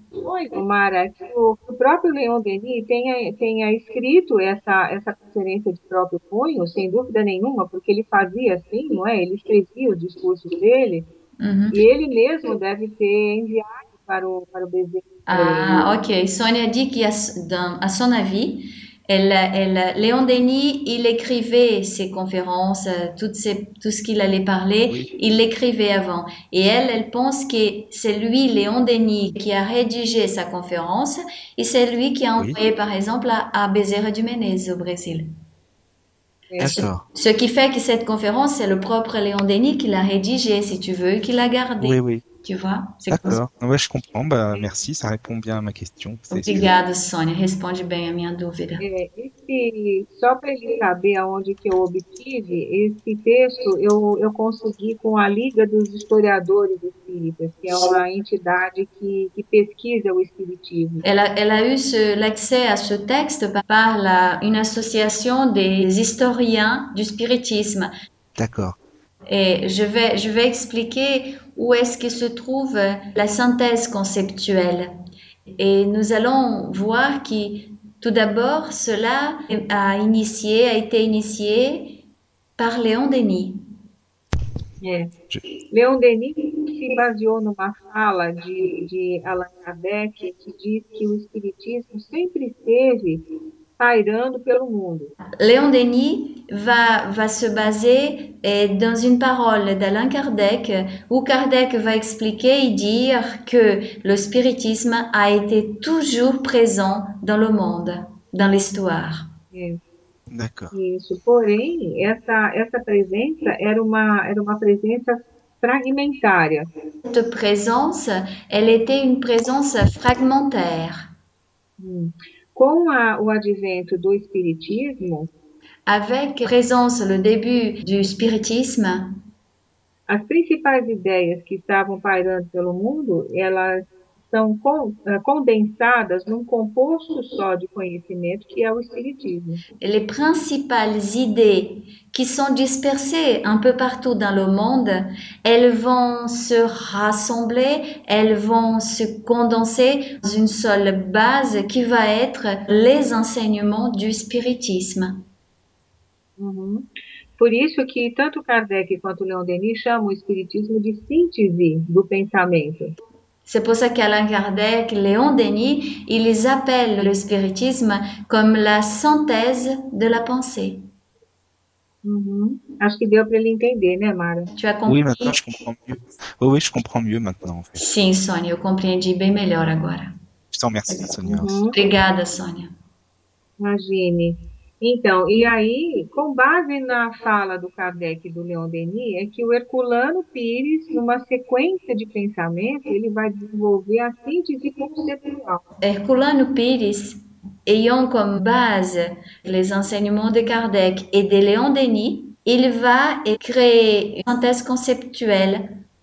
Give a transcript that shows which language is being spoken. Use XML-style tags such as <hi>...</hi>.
<pt>Oi, Mara, que o próprio Léon Denis tenha escrito essa conferência de próprio punho, sem dúvida nenhuma, porque ele fazia assim, não é? Ele escrevia o discurso dele e ele mesmo deve ter enviado para o Bezerra de Menezes. Ah, ok.</pt> <fr>Sonia dit qu'à son avis, Léon Denis, il écrivait ses conférences, tout ce qu'il allait Oui. parler, il l'écrivait avant. Et elle pense que c'est lui, Léon Denis, qui a rédigé sa conférence et c'est lui qui a Oui. envoyé, par exemple, à Bezerra de Menezes au Brésil. D'accord. Ce qui fait que cette conférence, c'est le propre Léon Denis qui l'a rédigée, si tu veux, qui l'a Oui, gardée. oui. Tu vois, c'est comme ça. D'accord. Ouais, je comprends. Bah, merci, ça répond bien à ma question, c'est sûr.</fr> <pt>Obrigada, Sônia. Responde bem a minha dúvida. Só para ele saber aonde que eu obtive, esse texto eu consegui com a Liga dos Historiadores Espíritas, que é uma entidade que pesquisa o Espiritismo.</pt> <fr>Elle a eu l'accès à ce texte par une association des historiens du spiritisme. D'accord. Et je vais expliquer où est-ce que se trouve la synthèse conceptuelle. Et nous allons voir que tout d'abord, cela a été initié par Léon Denis.</fr> <pt>Léon Denis se baseou numa fala de Allan Kardec, que diz que o Espiritismo sempre esteve pairando pelo mundo.</pt> <fr>Léon Denis va se baser dans une parole d'Alain Kardec, où Kardec va expliquer et dire que le spiritisme a été toujours présent dans le monde, dans l'histoire. D'accord.</fr> <pt>Isso, porém, essa presença era uma presença fragmentária.</pt> <fr>Cette présence, elle était une présence fragmentaire.</fr> <pt>Com o advento do Espiritismo,</pt> <fr>Avec présence, le début du spiritisme.</fr> <pt>as principais ideias que estavam pairando pelo mundo, elas são condensadas num composto só de conhecimento, que é o Espiritismo.</pt> <fr>Les principales idées qui sont dispersées un peu partout dans le monde, elles vont se rassembler, elles vont se condenser dans une seule base qui va être les enseignements du spiritisme.</fr> <pt>Por isso que tanto Kardec quanto Léon Denis chamam o Espiritismo de síntese do pensamento.</pt> <fr>C'est pour ça qu'Alain Kardec, Léon Denis, ils appellent le spiritisme comme la synthèse de la pensée.</fr> <pt>Acho que deu para ele entender, né, Mara?</pt> <fr>Tu as Oui, maintenant compris? je comprends mieux. Oui, je comprends mieux maintenant, en fait.</fr> <pt>Sim, Sônia, eu compreendi bem melhor agora.</pt> <fr>Je te remercie, Sonia, aussi.</fr> <pt>Obrigada, Sônia. Imagine. Então, e aí, com base na fala do Kardec e do Léon Denis, é que o Herculano Pires, numa sequência de pensamento, ele vai desenvolver a síntese conceitual.</pt> <fr>Herculano Pires, ayant comme base les enseignements de Kardec et de Léon Denis, il va créer une synthèse conceptuelle.</fr>